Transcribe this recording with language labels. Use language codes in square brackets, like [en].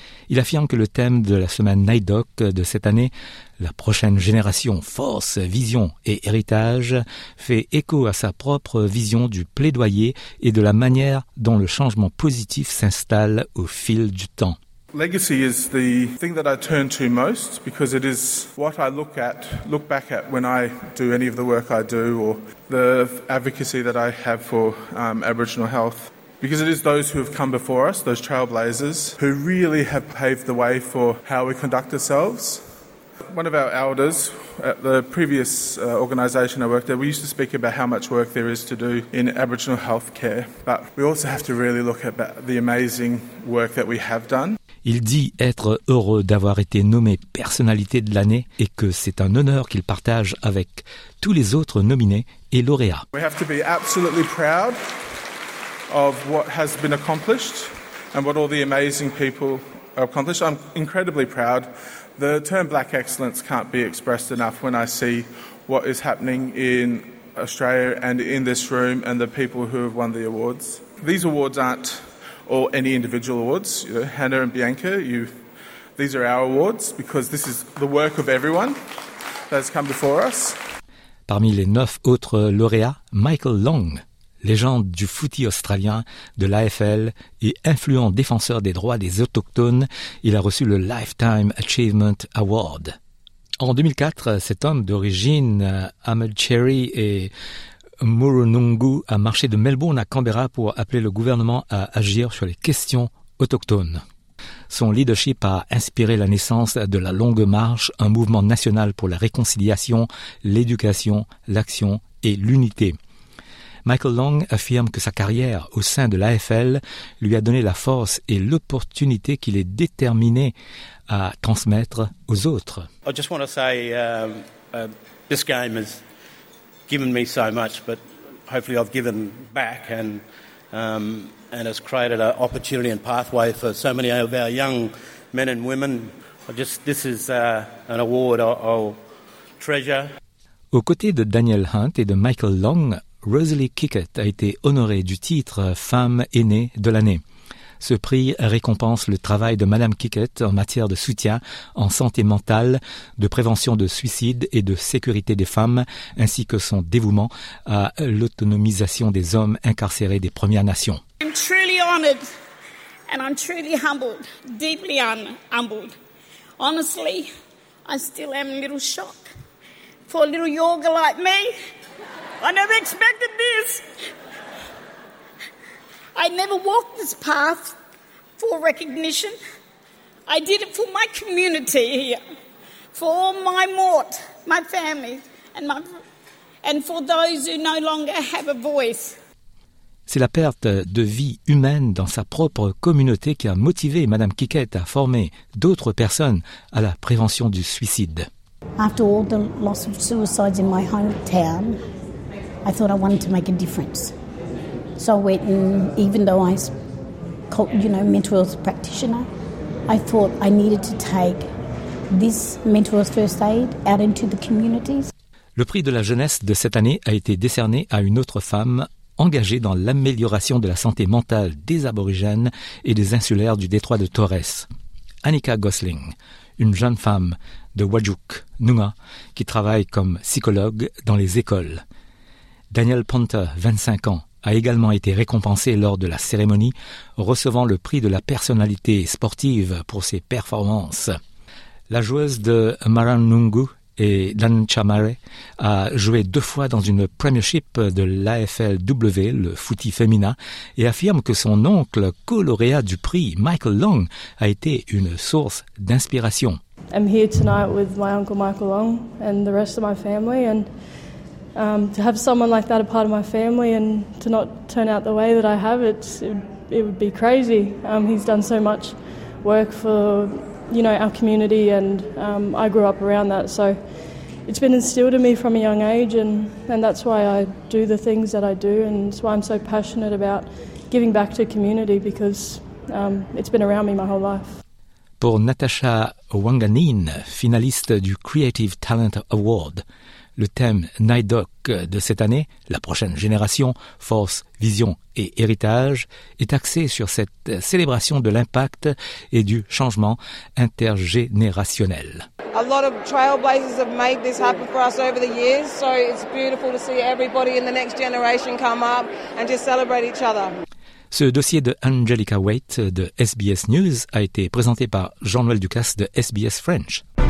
[fr] Il affirme que le thème de la semaine NAIDOC de cette année, la prochaine génération, force, vision et héritage, fait écho à sa propre vision du plaidoyer et de la manière dont le changement positif s'installe au fil du temps. [en] Legacy is the thing that I turn to most because it is what I look back at when I do any of the work I do or the advocacy that I have for Aboriginal health. Because it is those who have come before us, those trailblazers, who really have paved the way for how we conduct ourselves, One of our elders at the previous organisation I worked at, we used to speak about how much work there is to do in Aboriginal healthcare, but we also have to really look at the amazing work that we have done. [fr] Il dit être heureux d'avoir été nommé personnalité de l'année et que c'est un honneur qu'il partage avec tous les autres nominés et lauréats. [en] We have to be absolutely proud of what has been accomplished and what all the amazing people accomplished. I'm incredibly proud. The term black excellence can't be expressed enough when I see what is happening in Australia and in this room and the people who have won the awards. These awards aren't or any individual awards. You know, Hannah and Bianca, these are our awards because this is the work of everyone that has come before us. [fr] Parmi les 9 autres lauréats, Michael Long, légende du footy australien, de l'AFL et influent défenseur des droits des autochtones, il a reçu le Lifetime Achievement Award. En 2004, cet homme d'origine Amadcherry et Murunungu a marché de Melbourne à Canberra pour appeler le gouvernement à agir sur les questions autochtones. Son leadership a inspiré la naissance de la Longue Marche, un mouvement national pour la réconciliation, l'éducation, l'action et l'unité. Michael Long affirme que sa carrière au sein de l'AFL lui a donné la force et l'opportunité qu'il est déterminé à transmettre aux autres. [en] I just want to say this game has given me so much, but hopefully I've given back and has created an opportunity and pathway for so many of our young men and women. An award I'll treasure. [fr] Aux côtés de Daniel Hunt et de Michael Long, Rosalie Kickett a été honorée du titre Femme aînée de l'année. Ce prix récompense le travail de Madame Kickett en matière de soutien en santé mentale, de prévention de suicide et de sécurité des femmes, ainsi que son dévouement à l'autonomisation des hommes incarcérés des Premières Nations. [en] I'm truly honored and I'm truly humbled, deeply humbled. Honestly, I still am a little shocked for a little yoga like me. I never expected this. I never walked this path for recognition. I did it for my community here, for all my mort, my family, and for those who no longer have a voice. [fr] C'est la perte de vie humaine dans sa propre communauté qui a motivé Madame Kickett à former d'autres personnes à la prévention du suicide. [en] After all the loss of suicides in my hometown, I thought I wanted to make a difference. So I went and even though I was, you know, mental health practitioner, I thought I needed to take this mental health first aid out into the communities. [fr] Le prix de la jeunesse de cette année a été décerné à une autre femme engagée dans l'amélioration de la santé mentale des Aborigènes et des insulaires du détroit de Torres. Annika Gosling, une jeune femme de Wadjuk, Noongar, qui travaille comme psychologue dans les écoles. Daniel Ponta, 25 ans, a également été récompensé lors de la cérémonie, recevant le prix de la personnalité sportive pour ses performances. La joueuse de Maranungu et Dan Chamare a joué 2 fois dans une premiership de l'AFLW, le footy féminin, et affirme que son oncle co-lauréat du prix, Michael Long, a été une source d'inspiration. [en] I'm here tonight with my uncle Michael Long and the rest of my family and to have someone like that a part of my family and to not turn out the way that I have, it would be crazy. He's done so much work for, you know, our community and I grew up around that. So it's been instilled in me from a young age and that's why I do the things that I do and it's why I'm so passionate about giving back to community because it's been around me my whole life. [fr] Pour Natasha Wanganin, finaliste du Creative Talent Award, le thème NIDOC de cette année, la prochaine génération, force, vision et héritage, est axé sur cette célébration de l'impact et du changement intergénérationnel. [en] A lot of trailblazers have made this happen for us over the years, so it's beautiful to see everybody in the next generation come up and just celebrate each other. [fr] Ce dossier de Angelica Waite de SBS News a été présenté par Jean-Noël Ducasse de SBS French.